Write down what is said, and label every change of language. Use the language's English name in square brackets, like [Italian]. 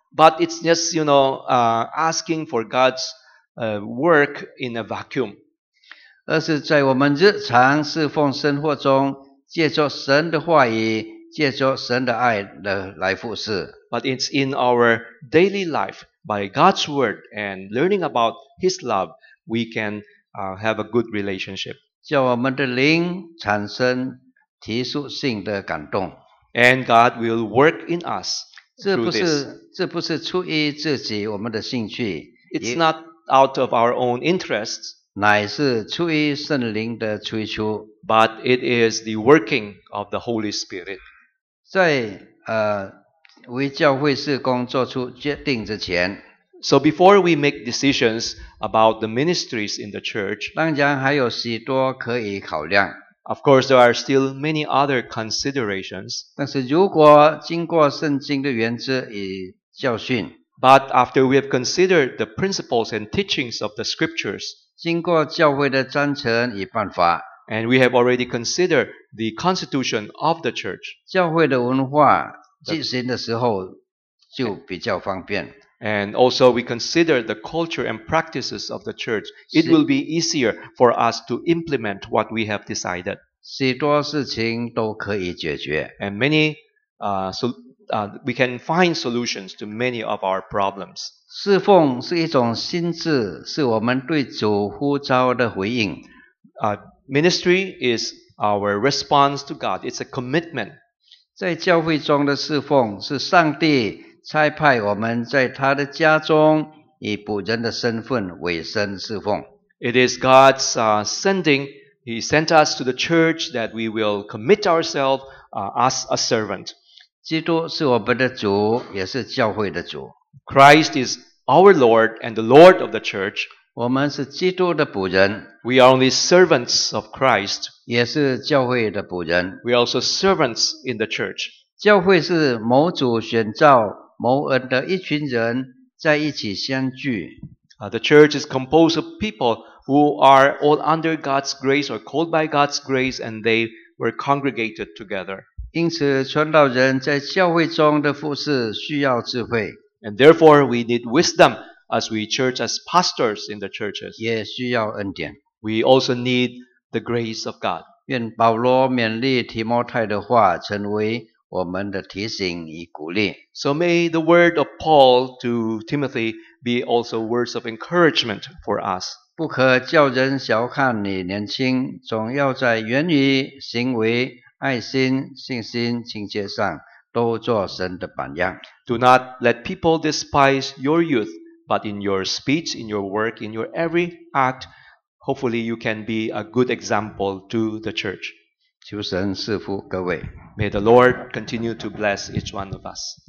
[English] But it's just, you know, asking for God's work in a vacuum. [Chinese] 而是在我们日常侍奉生活中，借着神的话语，借着神的爱的来服事。 [English] But it's in our daily life, by God's word and learning about His love, we can have a good relationship. [Chinese] 叫我们的灵产生提速性的感动 [English] ，and God will work in us. [Chinese] 这不是出于自己我们的兴趣 [English] ，it's not out of our own interests. [Chinese] 乃是出于圣灵的催促 [English] ，but it is the working of the Holy Spirit. [Chinese] 在为教会事工做出决定之前 [English] ，so before we make decisions about the ministries in the church, [Chinese] 当然还有许多可以考量。 [English] Of course, there are still many other considerations. [Chinese] 但是如果经过圣经的原则与教训 [English] ，But after we have considered the principles and teachings of the scriptures, [Chinese] 经过教会的章程与办法 [English] ，And we have already considered the constitution of the church. [Chinese] 教会的文化执行的时候就比较方便。 [English] And also we consider the culture and practices of the church. It will be easier for us to implement what we have decided. [Chinese] 许多事情都可以解决。 [English] And many, we can find solutions to many of our problems. [Chinese] 侍奉是一种心智，是我们对主呼召的回应。 [English] Ministry is our response to God. It's a commitment. [Chinese] 在教会中的侍奉是上帝差派我们在他的家中以仆人的身份委身侍奉。 [English] It is God's sending. He sent us to the church that we will commit ourselves as a servant. [Chinese] 基督是我们的主，也是教会的主。 [English] Christ is our Lord and the Lord of the church. [Chinese] 我们是基督的仆人。 [English] We are only servants of Christ. [Chinese] 也是教会的仆人。 [English] We are also servants in the church. [Chinese] 教会是某主选召蒙恩的一群人在一起相聚。 [English] The church is composed of people who are all under God's grace or called by God's grace, and they were congregated together. [Chinese] 因此，传道人在教会中的服事需要智慧。 [English] And therefore, we need wisdom as we church as pastors in the churches. [Chinese] 也需要恩典。 [English] We also need the grace of God. [Chinese] 愿保罗勉励提摩太的话成为我们的提醒与鼓励。 [English] So may the word of Paul to Timothy be also words of encouragement for us. [Chinese] 不可叫人小看你年轻，总要在言语、行为、爱心、信心、清洁上都做神的榜样。 [English] Do not let people despise your youth, but in your speech, in your work, in your every act, hopefully you can be a good example to the church. [Chinese] 求神赐福各位。 [English] May the Lord continue to bless each one of us.